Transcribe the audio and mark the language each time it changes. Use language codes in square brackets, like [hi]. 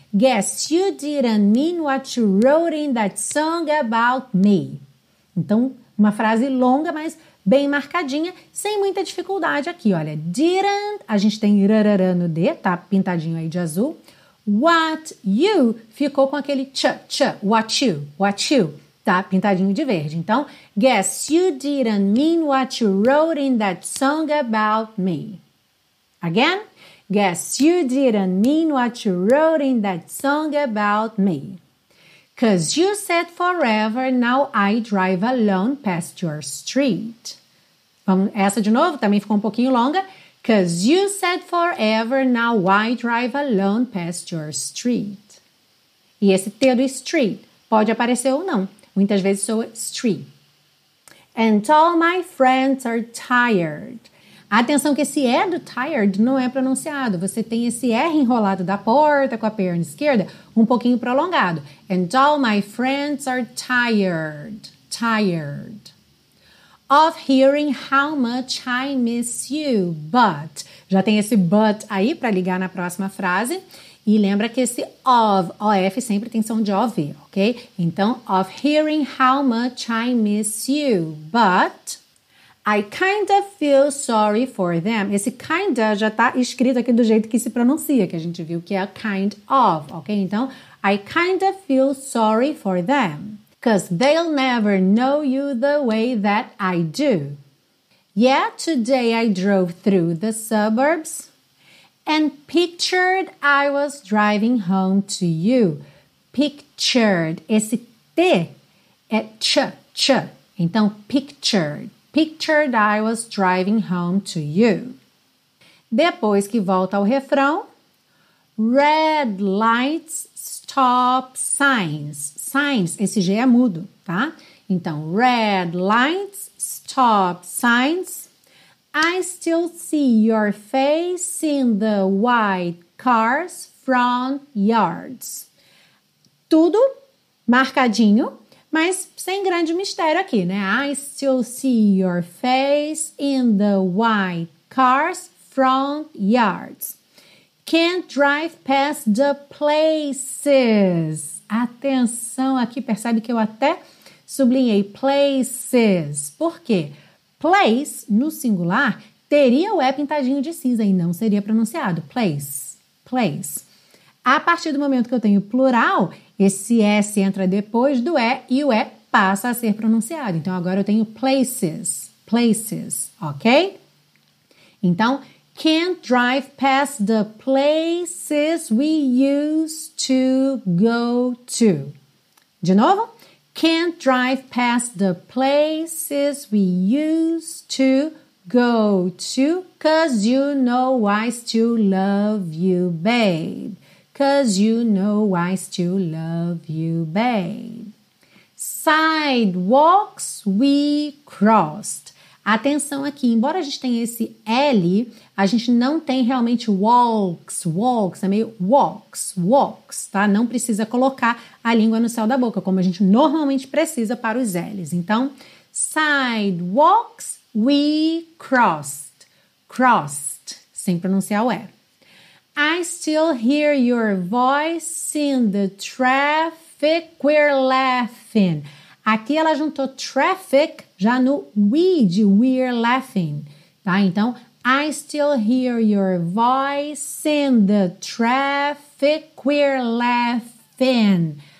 [en] Guess you didn't mean what you wrote in that song about me. [pt] Então, uma frase longa, mas bem marcadinha, sem muita dificuldade aqui, olha. Didn't, a gente tem rarara no D, tá pintadinho aí de azul. [en] What you, [pt] ficou com aquele ch, ch, what you, tá pintadinho de verde. Então, [en] guess you didn't mean what you wrote in that song about me. Again, guess you didn't mean what you wrote in that song about me. Cause you said forever, now I drive alone past your street. [pt] Essa de novo, também ficou um pouquinho longa. [en] Cause you said forever, now I drive alone past your street. [pt] E esse T do street pode aparecer ou não. Muitas vezes soa street. [en] And all my friends are tired. [pt] Atenção que esse E do tired não é pronunciado. Você tem esse R enrolado da porta com a perna esquerda, um pouquinho prolongado. [en] And all my friends are tired. Tired. Of hearing how much I miss you, but. [pt] Já tem esse but aí para ligar na próxima frase. E lembra que esse of, O-F, sempre tem som de O-V, ok? Então, [en] of hearing how much I miss you, but. I kind of feel sorry for them. [pt] Esse kind of já está escrito aqui do jeito que se pronuncia, que a gente viu que é kind of, ok? Então, [en] I kind of feel sorry for them. Because they'll never know you the way that I do. Yeah, today I drove through the suburbs and pictured I was driving home to you. [pt] Pictured. Esse T é ch, ch. Então, [en] pictured. Pictured I was driving home to you. [pt] Depois que volta ao refrão, [en] red lights, stop signs. [pt] Signs, esse G é mudo, tá? Então, [en] red lights, stop signs. I still see your face in the white car's front yards. [pt] Tudo marcadinho. Mas sem grande mistério aqui, né? [en] I still see your face in the white car's front yards. Can't drive past the places. [pt] Atenção aqui, percebe que eu até sublinhei places. Por quê? Place, no singular, teria o E pintadinho de cinza e não seria pronunciado. Place, place. A partir do momento que eu tenho plural, esse S entra depois do E o E passa a ser pronunciado. Então, agora eu tenho places, places, ok? Então, [en] can't drive past the places we used to go to. [pt] De novo, [en] can't drive past the places we used to go to, cause you know I still love you, babe. Cause you know I still love you, babe. Sidewalks we crossed. [pt] Atenção aqui, embora a gente tenha esse L, a gente não tem realmente walks, walks, é meio walks, walks, tá? Não precisa colocar a língua no céu da boca, como a gente normalmente precisa para os L's. Então, [en] sidewalks we crossed. [pt] Crossed, sem pronunciar o E. [en] I still hear your voice in the traffic, we're laughing. [pt] Aqui ela juntou traffic já no we de [en] we're laughing, [pt] tá? Então, [en] I still hear your voice in the traffic, we're laughing.